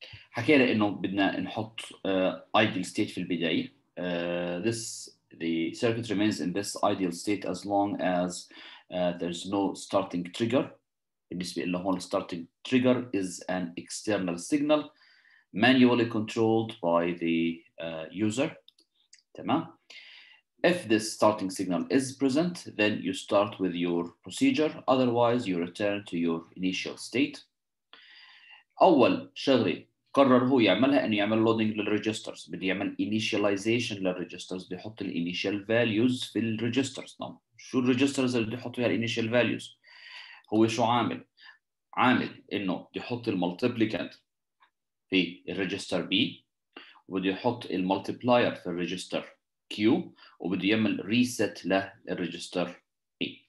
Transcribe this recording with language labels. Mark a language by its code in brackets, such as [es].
[ar] حكينا إنه بدنا نحط ideal state في البداية. [en] The circuit remains in this ideal state as long as there's no starting trigger. [ar] بالنسبة إلى هون [en] starting trigger is an external signal manually controlled by the user. [ar] تمام. [en] If this starting signal is present, then you start with your procedure. Otherwise, you return to your initial state. [ar] أول شغلة قرر هو يعملها انه يعمل لودنج للريجسترز، بده يعمل انيشاليزيشن للريجسترز، بده يحط الانيشال فاليوز في الريجسترز. نعم، شو الريجسترز اللي بده يحط فيها الانيشال فاليوز؟ هو شو عامل؟ عامل انه بده يحط الملتيبليكانت في الريجستر بي، وبده يحط الملتيبلاير في الريجستر كيو، وبده يعمل ريسيت للريجستر اي.